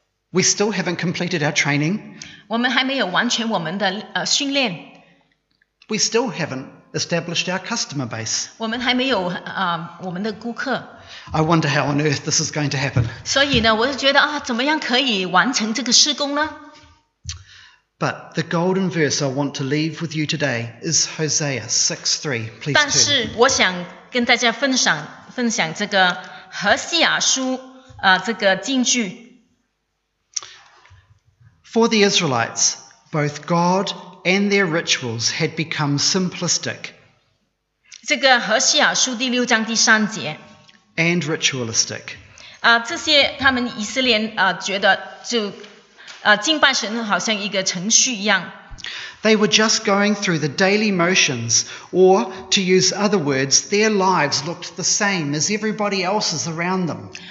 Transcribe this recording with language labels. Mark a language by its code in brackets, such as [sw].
[en] We still haven't completed our training. [zh] 我们还没有完全我们的训练。 [en] We still haven't established our customer base. [zh] 我们还没有我们的顾客。 [en] I wonder how on earth this is going to happen. [zh] 所以呢，我就觉得怎么样可以完成这个事工呢？ [en] But the golden verse I want to leave with you today is Hosea 6:3. Please turn. [zh] 但是我想跟大家分享这个何西亚书这个金句。 [en] For the Israelites, both God and their rituals had become simplistic. [zh] 这个何西亚书第六章第三节。 [en] And ritualistic. [zh] 这些他们以色列觉得就敬拜神好像一个程序一样。 [en] They were just going through the daily motions, or to use other words, their lives looked the same as everybody else's around them.